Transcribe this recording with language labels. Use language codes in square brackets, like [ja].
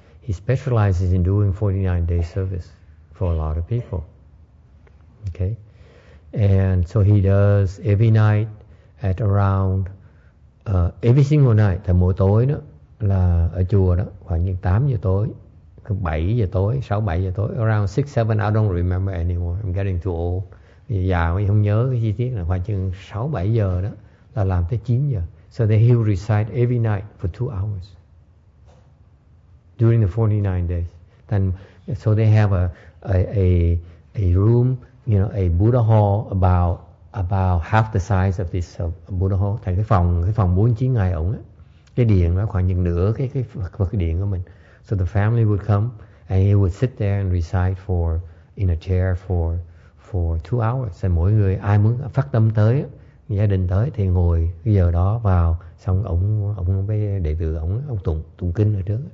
[en] He specializes in doing 49 day service for a lot of people. Okay, and so he does every night at around every single night. [vi] Thì mỗi tối đó là ở chùa đó khoảng như 8 giờ tối. 7 giờ tối, 6-7 giờ tối, [en] around 6-7, I don't remember anymore, I'm getting too old. [vi] Giờ già mới không nhớ cái chi tiết là khoảng chừng 6-7 giờ đó, là làm tới 9 giờ. [en] So then he'll recite every night for 2 hours during the 49 days. Then, so they have a room, you know, a Buddha hall about half the size of this Buddha hall. [vi] Thành cái phòng 49 ngày ổng á, cái điện nó khoảng chừng nửa cái Phật điện của mình. [en] So the family would come and he would sit there and recite in a chair for 2 hours. [vi] And mỗi người ai muốn phát tâm tới, gia đình tới thì ngồi cái giờ đó vào, xong ông với đệ tử ông tụng kinh ở trước.